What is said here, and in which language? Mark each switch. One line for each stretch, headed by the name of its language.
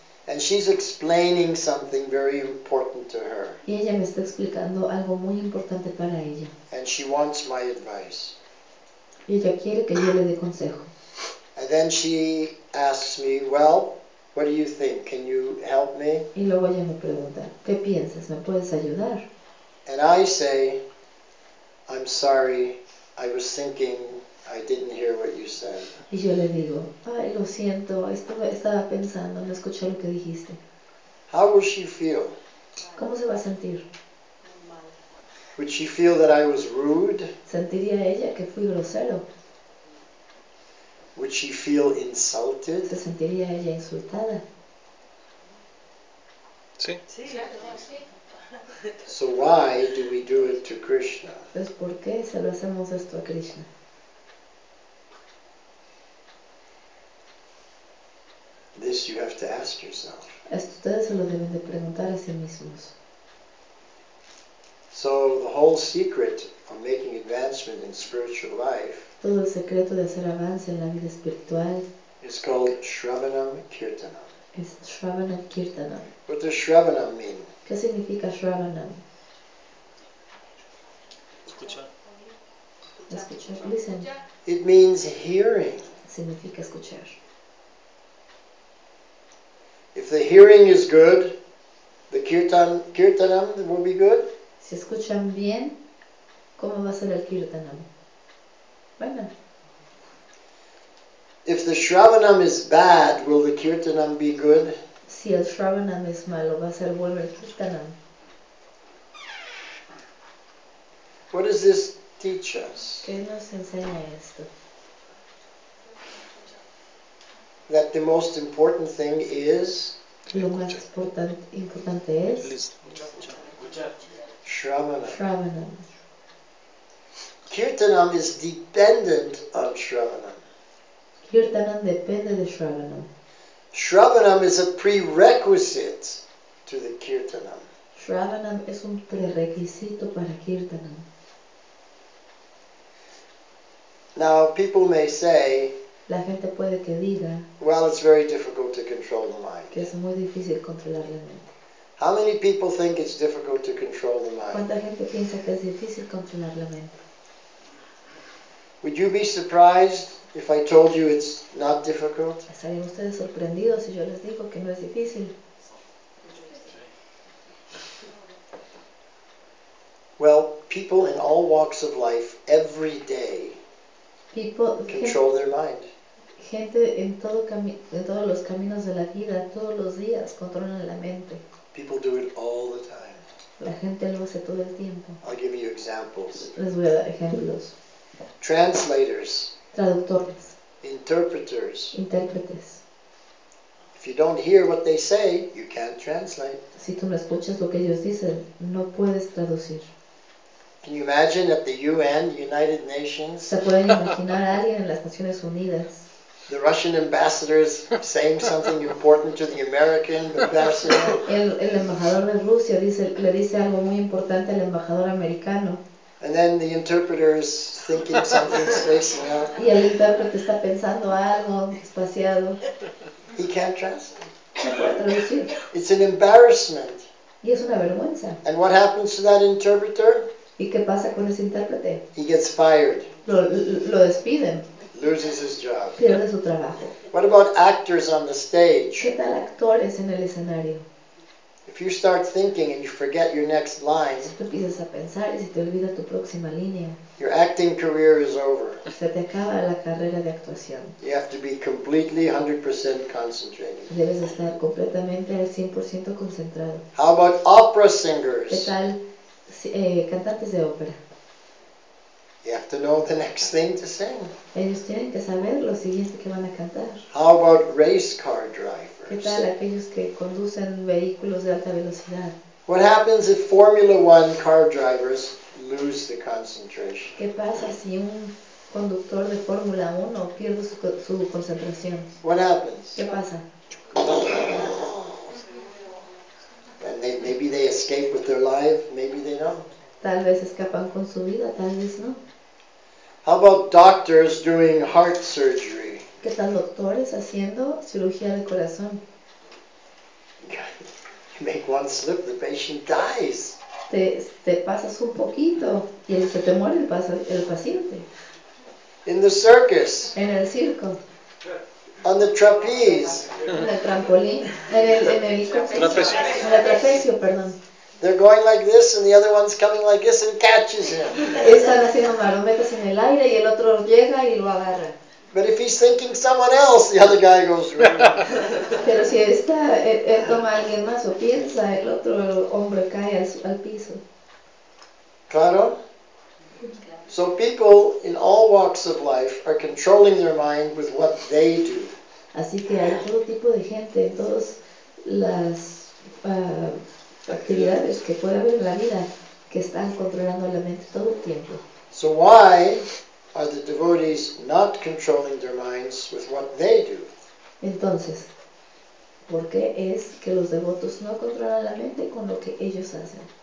English: And she's explaining something very important to her.
Spanish: Y ella me está explicando algo muy importante para ella.
English: And she wants my advice.
Spanish: Y ella quiere que yo le dé consejo.
English: And then she asks me, well, what do you think? Can you help me?
Spanish: Y luego ella me pregunta, ¿qué piensas? ¿Me puedes ayudar?
English: And I say, I'm sorry, I was thinking, I didn't hear what you said.
Spanish: Y yo le digo, ay, lo siento, estaba pensando, no escuché lo que dijiste.
English: How will she feel?
Spanish: ¿Cómo se va a sentir?
English: Would she feel that I was rude?
Spanish: ¿Sentiría ella que fui grosero?
English: Would she feel insulted?
Spanish: ¿Se sentiría ella insultada? Sí. Sí, claro.
English: So why do we do it to Krishna?
Spanish: Pues ¿por qué se lo hacemos esto a Krishna?
English: This you have to ask yourself.
Spanish: Esto ustedes se lo deben de preguntar a sí mismos.
English: So the whole secret of making advancement in spiritual life,
Spanish: todo el secreto de hacer avance en la vida espiritual,
English: is called Shravanam Kirtanam.
Spanish: Es Shravanam Kirtanam.
English: What does Shravanam mean?
Spanish: ¿Qué significa Shravanam? Escuchar. Escuchar.
English: Listen. It means hearing.
Spanish: Significa escuchar.
English: If the hearing is good, the kirtanam will be good.
Spanish: Si escuchan bien, ¿cómo va a ser el kirtanam? Bueno.
English: If the shravanam is bad, will the kirtanam be good?
Spanish: Si el shravanam es malo, ¿va a ser bueno el kirtanam?
English: What does this teach us?
Spanish: ¿Qué nos enseña esto?
English: That the most important thing is
Spanish: lo más importante es Shravanam.
English: Kirtanam is dependent on Shravanam.
Spanish: Kirtanam depende de Shravanam.
English: Shravanam is a prerequisite to the Kirtanam.
Spanish: Shravanam es un prerequisito para Kirtanam.
English: Now, people may say,
Spanish: la gente puede que diga,
English: well, it's very difficult to control the mind.
Spanish: Que es muy difícil controlar la mente.
English: How many people think it's difficult to control the mind?
Spanish: ¿Cuánta gente piensa que es difícil controlar la mente?
English: Would you be surprised if I told you it's not difficult?
Spanish: ¿Estarían ustedes sorprendidos si yo les digo que no es difícil?
English: Well, people in all walks of life every day control their mind.
Spanish: Gente en todo en todos los caminos de la vida, todos los días controlan la mente.
English: People do it all the time.
Spanish: La gente lo hace todo el tiempo.
English: I'll give you examples.
Spanish: Les voy a dar ejemplos.
English: Translators.
Spanish: Traductores.
English: Interpreters.
Spanish: Intérpretes.
English: If you don't hear what they say, you can't translate.
Spanish: Si tú no escuchas lo que ellos dicen, no puedes traducir.
English: Can you imagine at the UN, United Nations?
Spanish: ¿Se pueden imaginar a alguien en las Naciones Unidas?
English: The Russian ambassador is saying something important to the American ambassador.
Spanish: El embajador de Rusia le dice algo muy importante al embajador americano.
English: And then the interpreter is thinking something spacing out.
Spanish: Y el intérprete está pensando algo espaciado.
English: He can't translate.
Spanish: No puede traducir.
English: It's an embarrassment.
Spanish: Y es una vergüenza.
English: And what happens to that interpreter?
Spanish: ¿Y qué pasa con ese intérprete?
English: He gets fired.
Spanish: Lo despiden.
English: Loses his job.
Spanish: Pierde su trabajo.
English: What about actors on the stage?
Spanish: ¿Qué tal actores en el escenario?
English: If you start thinking and you forget your next line,
Spanish: si tú empiezas a pensar y se te olvida tu próxima línea,
English: your acting career is over.
Spanish: Se te acaba la carrera de actuación.
English: You have to be completely 100% concentrated.
Spanish: Debes estar completamente al 100% concentrado.
English: How about opera singers?
Spanish: ¿Qué tal cantantes de ópera?
English: You have to know the next thing to sing.
Spanish: Ellos tienen que saber lo siguiente que van a cantar.
English: How about race car drivers?
Spanish: ¿Qué tal aquellos que conducen vehículos de alta velocidad?
English: What happens if Formula One car drivers lose the concentration?
Spanish: ¿Qué pasa si un conductor de Fórmula 1 pierde su concentración?
English: What happens?
Spanish: ¿Qué pasa?
English: And maybe they escape with their life, maybe they don't.
Spanish: Tal vez escapan con su vida, tal vez no.
English: How about doctors doing heart surgery?
Spanish: ¿Qué tal doctores haciendo cirugía de corazón?
English: You make one slip, the patient dies.
Spanish: Te pasas un poquito y se te muere el paciente.
English: In the circus.
Spanish: En el circo.
English: On the trapeze.
Spanish: En el trampolín. En el trapecio, perdón.
English: They're going like this and the other one's coming like this and catches him.
Spanish: Están haciendo marometas en el aire y el otro llega y lo agarra.
English: But if he's thinking someone else, the other guy goes through.
Spanish: Pero si está, él toma a alguien más o piensa, el otro hombre cae al piso. Claro.
English: So people in all walks of life are controlling their mind with what they do.
Spanish: Así que hay todo tipo de gente, todas las actividades que puede haber en la vida que están controlando la mente todo el tiempo.
English: So why are the devotees not controlling their minds with what they do?
Spanish: Entonces, ¿por qué es que los devotos no controlan la mente con lo que ellos hacen?